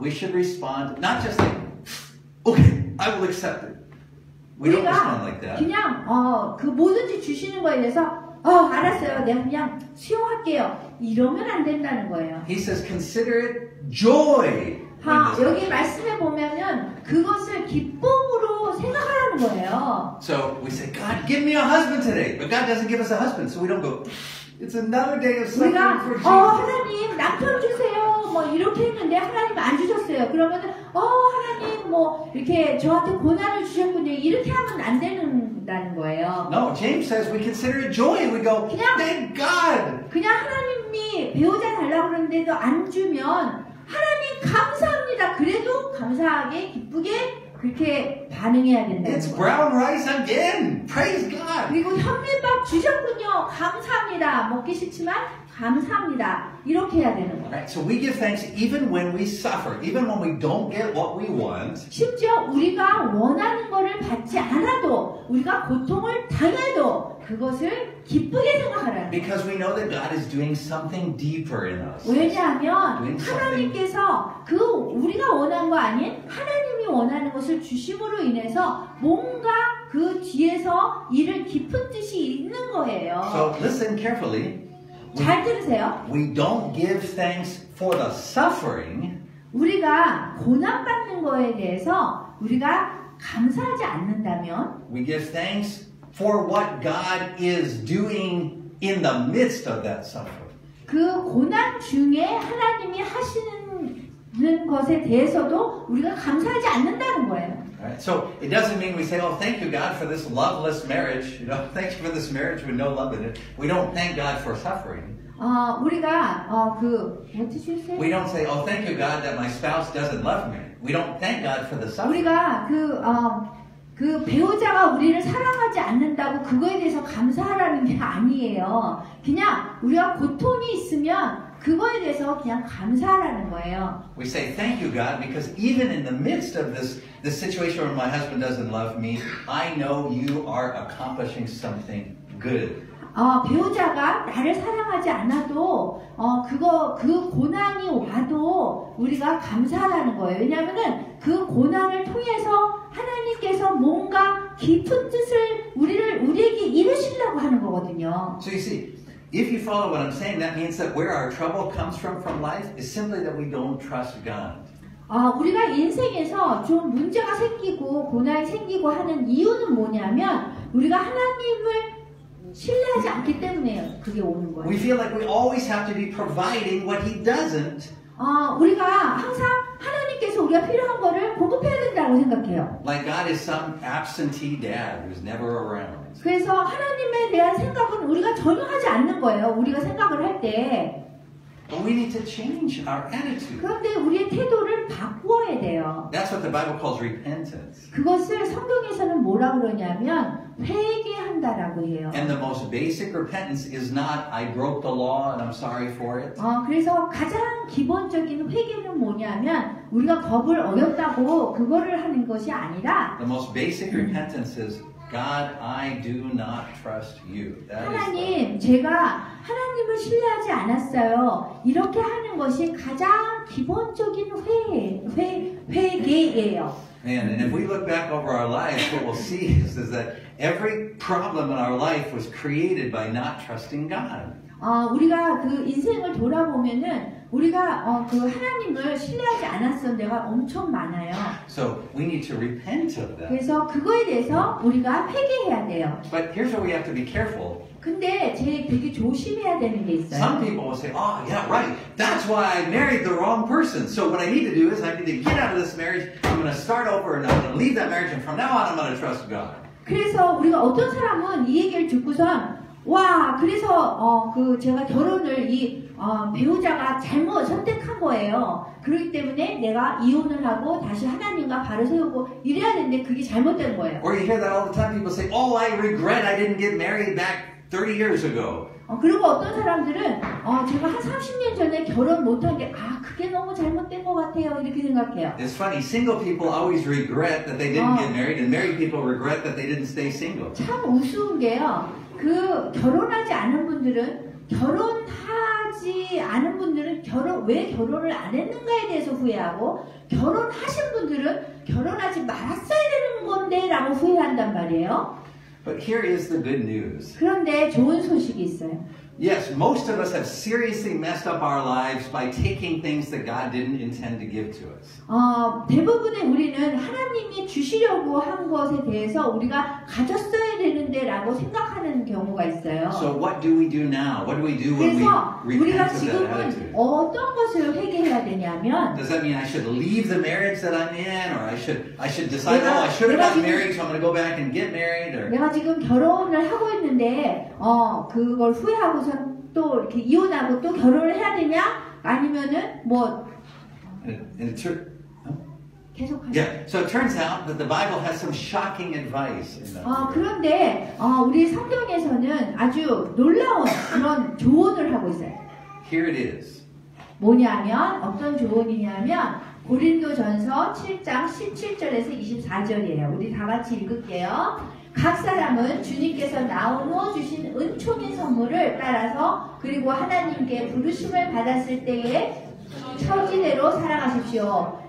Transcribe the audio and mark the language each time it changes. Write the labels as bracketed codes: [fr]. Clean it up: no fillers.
[en] We should respond not just like, okay, I will accept it. We don't respond like that. [ko] 그냥 어, 그 뭐든지 주시는 거에 대해서 어, 알았어요. 내가 그냥 수용할게요. 이러면 안 된다는 거예요. [en] He says consider it joy. [ko] 아, 여기 말씀해 보면은 그것을 기쁨으로 생각하라는 거예요. [en] So we say God give me a husband today. But God doesn't give us a husband. So we don't go It's another day of suffering [ko] 우리가, [en] for Jesus. [ko] 어, 하나님 남편 주세요. 뭐 이렇게 했는데 하나님 안 주셨어요. 그러면은 어, 하나님 뭐 이렇게 저한테 고난을 주셨군요. 이렇게 하면 안 된다는 거예요. [en] No, James says we consider it joy. We go, [ko] 그냥, [en] thank God. [ko] 그냥 하나님이 배우자 달라고 그러는데도 안 주면 하나님 감사합니다. 그래도 감사하게 기쁘게 그렇게 반응해야 된다. [en] It's brown rice again. Praise God. [ko] 그리고 현미밥 주셨군요. 감사합니다. 먹기 싫지만 감사합니다. 이렇게 해야 되는 거예요. [en] Right, so we give thanks even when we suffer, even when we don't get what we want. [ko] 심지어 우리가 원하는 것을 받지 않아도, 우리가 고통을 당해도 그것을 기쁘게 생각하라. [en] Because we know that God is doing something deeper in us. [ko] 왜냐하면 하나님께서 그 우리가 원한 거 아닌 하나님이 원하는 것을 주심으로 인해서 뭔가 그 뒤에서 이를 깊은 뜻이 있는 거예요. [en] So listen carefully. [ko] 잘 들으세요. [en] We don't give thanks for the suffering. [ko] 우리가 고난 받는 거에 대해서 우리가 감사하지 않는다면 [en] we give thanks for what God is doing in the midst of that suffering. [ko] 그 고난 중에 하나님이 하시는 것에 대해서도 우리가 감사하지 않는다는 거예요. [en] So it doesn't mean we say, oh, thank you, God, for this loveless marriage. You know, thank you for this marriage with no love in it. We don't thank God for suffering. [ko] 우리가 그 [en] what did you say? We don't say, oh, thank you, God, that my spouse doesn't love me. We don't thank God for the suffering. [ko] 우리가 그 배우자가 우리를 사랑하지 않는다고 그거에 대해서 감사하라는 게 아니에요. 그냥 우리가 고통이 있으면 그거에 대해서 그냥 감사하라는 거예요. [en] We say thank you God because even in the midst of this situation where my husband doesn't love me, I know you are accomplishing something good. [ko] 배우자가 나를 사랑하지 않아도 그 고난이 와도 우리가 감사하라는 거예요. 왜냐하면은 그 고난을 통해서 하나님께서 뭔가 깊은 뜻을 우리에게 이루시려고 하는 거거든요. [en] So you see, if you follow what I'm saying, that means that where our trouble comes from life is simply that we don't trust God. [ko] 우리가 인생에서 좀 문제가 생기고 고난이 생기고 하는 이유는 뭐냐면 우리가 하나님을 신뢰하지 않기 때문에요. 그게 오는 거예요. [en] We feel like we always have to be providing what He doesn't. [ko] 우리가 항상 하나님께서 우리가 필요한 거를 공급해야 된다고 생각해요. [en] Like God is some absentee dad who's never around. [ko] 그래서 하나님에 대한 생각은 우리가 전혀 하지 않는 거예요. 우리가 생각을 할 때. [en] But we need to change our attitude. [ko] 그런데 우리의 태도를 바꿔야 돼요. [en] That's what the Bible calls repentance. [ko] 그것을 성경에서는 뭐라고 그러냐면 회개한다라고 해요. [en] And the most basic repentance is not I broke the law and I'm sorry for it. [ko] 그래서 가장 기본적인 회개는 뭐냐면 우리가 법을 어겼다고 그거를 하는 것이 아니라 [en] The most basic repentance is God, I do not trust you. That [ko] 하나님, 제가 하나님을 신뢰하지 않았어요. 이렇게 하는 것이 가장 기본적인 회개예요. [en] Man, and if we look back over our lives, what we'll see is that every problem in our life was created by not trusting God. [ko] 우리가 그 인생을 돌아보면은 우리가 그 하나님을 신뢰하지 않았던 데가 엄청 많아요. [en] So we need to repent of that. [ko] 그래서 그거에 대해서 우리가 회개해야 돼요. [en] But here's where we have to be careful. [ko] 근데 제일 되게 조심해야 되는 게 있어요. [en] Some people will say, "Oh, yeah, right. That's why I married the wrong person. So what I need to do is I need to get out of this marriage. I'm going to start over and I'm going to leave that marriage and from now on I'm going to trust God." [ko] 그래서 우리가 어떤 사람은 이 얘기를 듣고선 와, 그래서 제가 결혼을 이 배우자가 잘못 선택한 거예요. 그렇기 때문에 내가 이혼을 하고 다시 하나님과 바로 세우고 이래야 되는데 그게 잘못된 거예요. [en] Or you hear that all the time people say, "Oh, I regret I didn't get married back 30 years ago." [ko] 그리고 어떤 사람들은 제가 한 30년 전에 결혼 못한 게 그게 너무 잘못된 것 같아요 이렇게 생각해요. [en] It's funny. Single people always regret that they didn't get married, and married people regret that they didn't stay single. [ko] 참 우스운 게요. 그 결혼하지 않은 분들은 결혼하지 않은 분들은 왜 결혼을 안 했는가에 대해서 후회하고 결혼하신 분들은 결혼하지 말았어야 되는 건데라고 후회한단 말이에요. [en] But here is the good news. [ko] 그런데 좋은 소식이 있어요. [en] Yes, most of us have seriously messed up our lives by taking things that God didn't intend to give to us. [ko] 대부분의 우리는 하나님이 주시려고 한 것에 대해서 우리가 가졌어야 되는데라고 생각하는 경우가 있어요. [en] So what do we do now? What do we do when we repent of that attitude? [ko] 우리가 지금은 어떤 것을 회개해야 되냐면 [en] Does that mean I should leave the marriage that I'm in or I should decide [ko] 내가, [en] oh, I should have gotten married so I'm going to go back and get married or [ko] 내가 지금 결혼을 하고 있는데 그걸 후회하고 우선 또 이렇게 이혼하고 또 결혼을 해야 되냐? 아니면은 뭐 [en] in a church, Yeah. So it turns out that the Bible has some shocking advice in that. [ko] 아 그런데 우리 성경에서는 아주 놀라운 그런 조언을 하고 있어요. [en] Here it is. [ko] 뭐냐면 어떤 조언이냐면 고린도전서 7장 17절에서 24절이에요. 우리 다 같이 읽을게요. 각 사람은 주님께서 나누어 주신 은총의 선물을 따라서 그리고 하나님께 부르심을 받았을 때에 처지대로 살아가십시오.